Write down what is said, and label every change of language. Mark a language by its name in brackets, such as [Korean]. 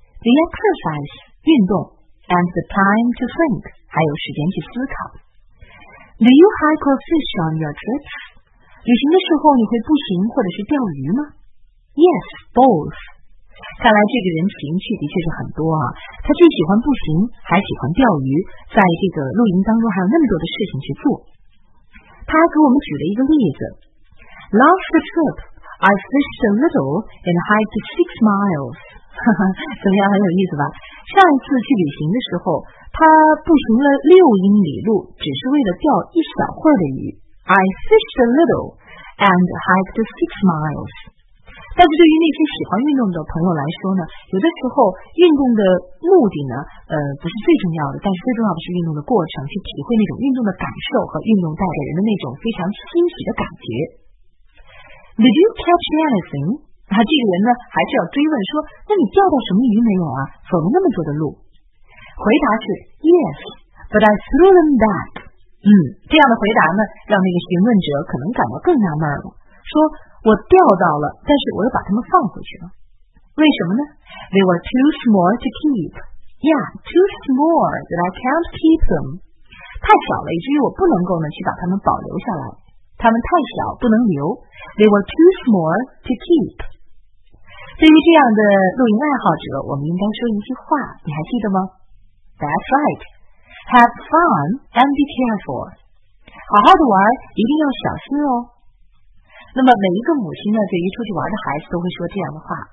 [English] The exercise, [Chinese] 运动 [English] and the time to think, [Chinese] 还有时间去思考。 [English] Do you hike or fish on your trips? [Chinese] 旅行的时候你会步行或者是钓鱼吗 [English] ?Yes, both. [Chinese] 看来这个人情趣的确是很多啊。他既喜欢步行还喜欢钓鱼，在这个露营当中还有那么多的事情去做。他给我们举了一个例子。 [English] Last trip, I fished a little and hiked 6 miles. [Chinese] 怎么样，很有意思吧？上一次去旅行的时候，他步行了6英里路，只是为了钓一小会儿的鱼。 [English] I fished a little and hiked 6 miles. [Chinese] 但是对于那些喜欢运动的朋友来说呢，有的时候运动的目的呢，不是最重要的，但是最重要的是运动的过程，去体会那种运动的感受和运动带给人的那种非常欣喜的感觉。 [English] Did you catch anything? [Chinese] 那这个人呢还是要追问说那你钓到什么鱼没有啊走了那么多的路回答是 [English] Yes, but I threw them back. [Chinese] 这样的回答呢让那个询问者可能感到更纳闷了说我钓到了但是我又把他们放回去了。为什么呢 [English] They were too small to keep. Yeah, too small that I can't keep them. [Chinese] 太小了以至于我不能够呢去把他们保留下来。他们太小不能留 [English] They were too small to keep. [Chinese] 对于这样的露营爱好者我们应该说一句话你还记得吗 [English] That's right. Have fun and be careful. [Chinese] 好好的玩一定要小心哦。那么每一个母亲呢对于出去玩的孩子都会说这样的话